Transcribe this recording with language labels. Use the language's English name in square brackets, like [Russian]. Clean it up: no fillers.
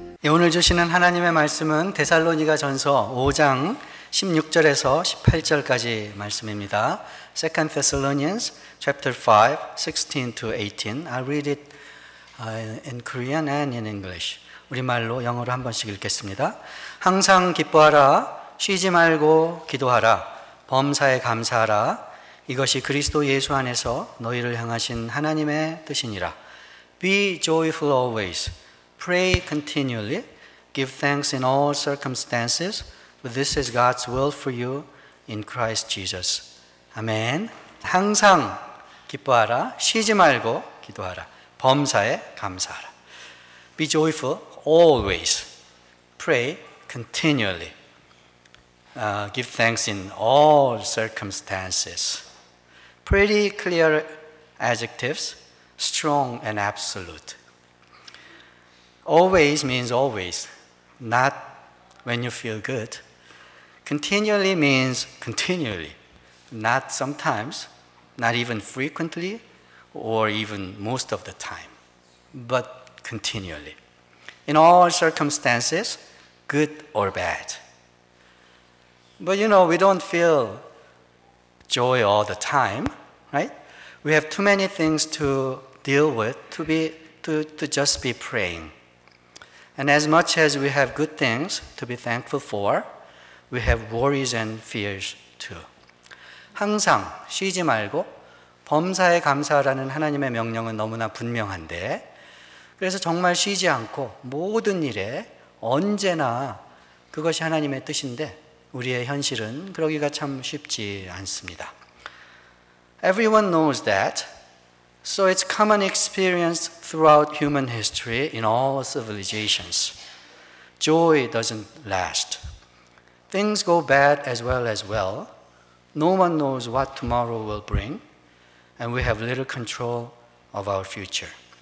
[Korean] 오늘 주시는 하나님의 말씀은 데살로니가 전서 5장 16절에서 18절까지 말씀입니다. [English] 2 Thessalonians chapter 5, 16 to 18. I'll read it in Korean and in English. [Korean] 우리말로 영어로 한 번씩 읽겠습니다. 항상 기뻐하라, 쉬지 말고 기도하라, 범사에 감사하라. 이것이 그리스도 예수 안에서 너희를 향하신 하나님의 뜻이니라. [English] Be joyful always. Pray continually, give thanks in all circumstances, for this is God's will for you in Christ Jesus. Amen. [Korean] 항상 기뻐하라, 쉬지 말고 기도하라, 범사에 감사하라. [English] Be joyful always, pray continually, give thanks in all circumstances. Pretty clear adjectives, strong and absolute. Always means always, not when you feel good. Continually means continually, not sometimes, not even frequently, or even most of the time, but continually. In all circumstances, good or bad. But you know, we don't feel joy all the time, right? We have too many things to deal with to just be praying. And as much as we have good things to be thankful for, we have worries and fears too. [Korean] 항상 쉬지 말고 범사에 감사하라는 하나님의 명령은 너무나 분명한데, 그래서 정말 쉬지 않고 모든 일에 언제나 그것이 하나님의 뜻인데 우리의 현실은 그러기가 참 쉽지 않습니다. [English] Everyone knows that. So it's common experience throughout human history in all civilizations. Joy doesn't last. Things go bad as well as well. No one knows what tomorrow will bring, and we have little control of our future.